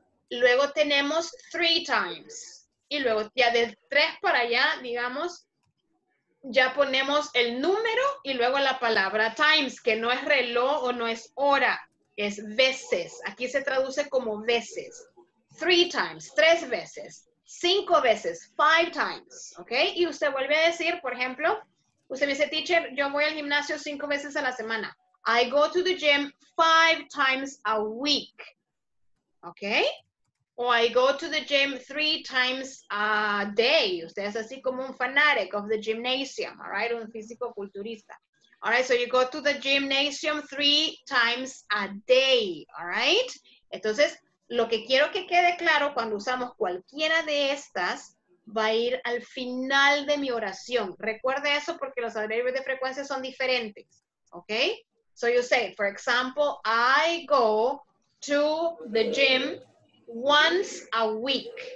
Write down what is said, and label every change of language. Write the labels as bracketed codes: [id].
[es] Luego tenemos three times. Y luego ya de tres para allá, digamos, ya ponemos el número y luego la palabra times, que no es reloj o no es hora, es veces. Aquí se traduce como veces. Three times, tres veces. Cinco veces, five times. ¿Ok? Y usted vuelve a decir, por ejemplo, usted me dice, teacher, yo voy al gimnasio cinco veces a la semana. [en] I go to the gym five times a week. ¿Ok? O I go to the gym three times a day. [es] Usted es así como un fanatic of the gymnasium, all right? Un físico culturista. [en] All right, so you go to the gymnasium three times a day, all right? [es] Entonces, lo que quiero que quede claro cuando usamos cualquiera de estas va a ir al final de mi oración. Recuerde eso porque los adverbios de frecuencia son diferentes, ¿ok? [en] So you say, for example, I go to the gym once a week.